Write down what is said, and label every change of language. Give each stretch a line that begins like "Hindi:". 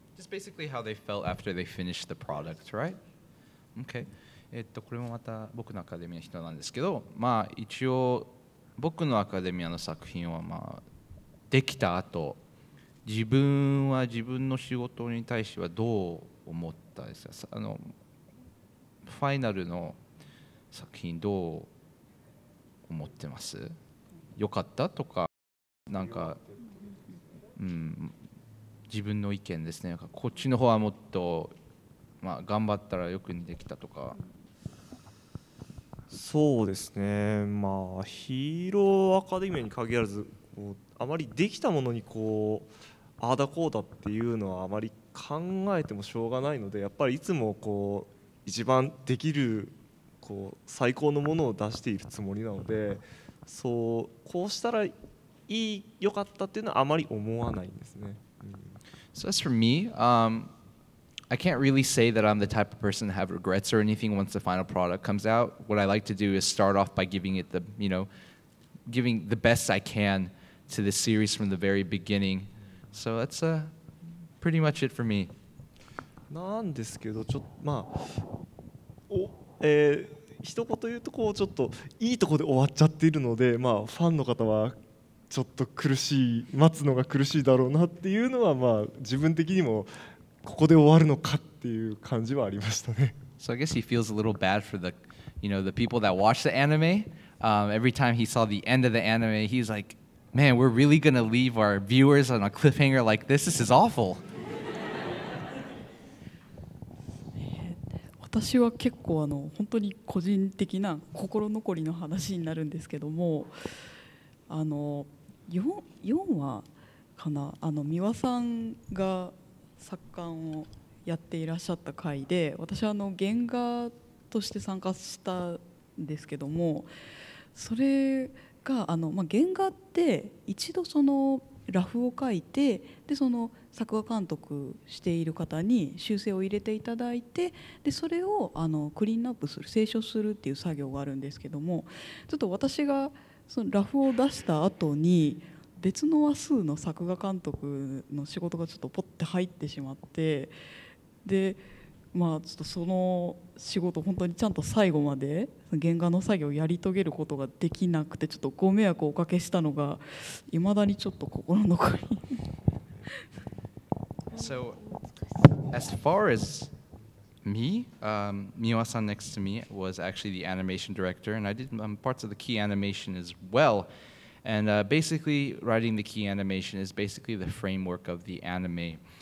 English: Basically how they felt after they finished the product, right? Okay.
Japanese: これもまた僕のアカデミアの人なんですけど、まあ一応僕のアカデミアの作品はまあできた後、自分は自分の仕事に対してはどう思ったですか。ファイナルの作品どう思ってます？良かったとかなんか、うん。自分の意見ですね。こっちの方はもっと、まあ、頑張ったらよくできたとか。そうですね、まあ、ヒーローアカデミアに限らず、こうあまりできたものにこうあだこうだっていうのはあまり考えてもしょうがないので、やっぱりいつもこう一番できるこう最高のものを出しているつもりなので、そうこうしたらいい良かったっていうのはあまり思わないんですね。
English: So as for me, I can't really say that I'm the type of person to have regrets or anything once the final product comes out. What I like to do is start off by giving it the, you know, giving the best I can to the series from the very beginning. So that's pretty much it for me.
Japanese: なんですけど、ちょっとまあ、一言言うとこうちょっといいとこで終わっちゃっているので、まあファンの方は。ちょっと苦しい待つのが苦しいだろうなっていうのはまあ自分的にもここで終わるのかっていう感じはありましたね。
English: So I guess he feels a little bad for the, you know, the people that watch the anime. Every time he saw the end of the anime, he's like, "Man, we're really gonna leave our viewers on a cliffhanger like this. This is awful."
Japanese: 私は結構あの本当に個人的な心残りの話になるんですけども。あの 4話かな、あの美輪さんが作刊をやっていらっしゃった回で、私はあの原画として参加したんですけども、それがあの、まあ、原画って一度そのラフを書いて、でその作画監督している方に修正を入れていただいて、でそれをあのクリーンアップする、清書するっていう作業があるんですけども、ちょっと私がそのラフを出した後に別の話数の作画監督の仕事がちょっとポッて入ってしまって、でまあちょっとその仕事本当にちゃんと最後まで原画の作業をやり遂げることができなくて、ちょっとご迷惑をおかけしたのが未だにちょっと心残り。
English: So as far as me, Miwa-san next to me was actually the animation director, and I did parts of the key animation as well. And basically, writing the key animation is basically the framework of the anime.